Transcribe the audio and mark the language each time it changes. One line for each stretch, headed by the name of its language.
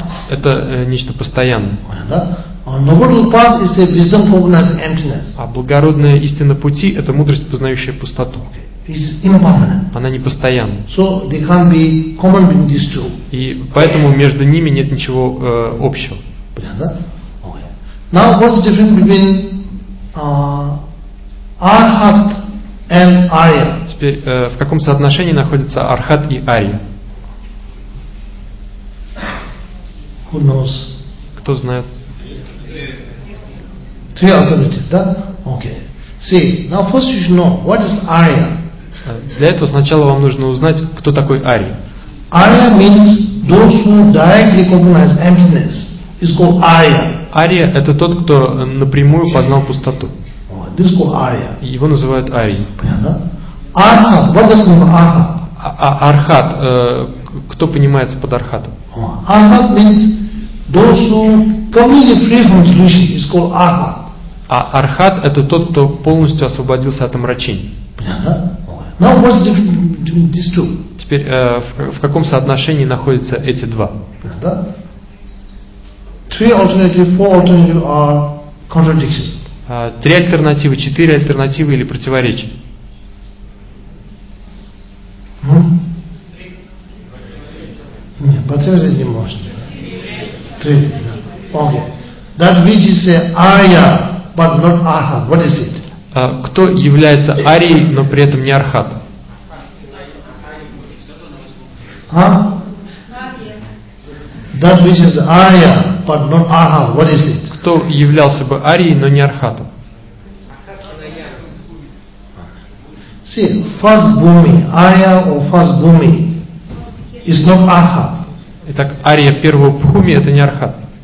Russian: Это нечто постоянное. А благородная истина пути — это мудрость, познающая пустоту.
English: Is impermanent.
Russian: Она не постоянна.
English: So they can't be common between these two.
Russian: И поэтому между ними нет ничего общего. Понятно?
English: Okay. Now what's the difference between Arhat and Arya?
Russian: Теперь в каком соотношении находятся Архат и Арья?
English: Who knows?
Russian: Кто знает?
English: Three alternatives, да? Okay. See, now first you should know what is Arya.
Russian: Для этого сначала вам нужно узнать, кто такой Арья.
English: Arya means those who directly recognize emptiness. It's called Arya.
Russian: Арья — это тот, кто напрямую познал пустоту.
English: This is called Arya.
Russian: Его называют Арьей.
English: Архат. What does mean Архат?
Russian: Архат. Кто понимается под Архатом?
English: Архат means those who completely free from delusion. It's called Архат.
Russian: А Архат — это тот, кто полностью освободился от омрачений.
English: Now what's the difference between these two?
Russian: Теперь в каком соотношении находятся эти два?
English: Three alternative, four alternative are contradictions.
Russian: Три альтернативы, четыре альтернативы или противоречия? Нет, противоречия не может. Три. Окей.
English: That which is Arya, but not Arhat. What is it?
Russian: Кто является Арией, но при этом не Архат?
English: That which is Arya, but not Arha. What is it?
Russian: Кто являлся бы Арией, но не Архатом?
English: See, first bhumi, Arya or first bhumi, is not Arhat.
Russian: Итак, Ария первого бхуми это не Архат.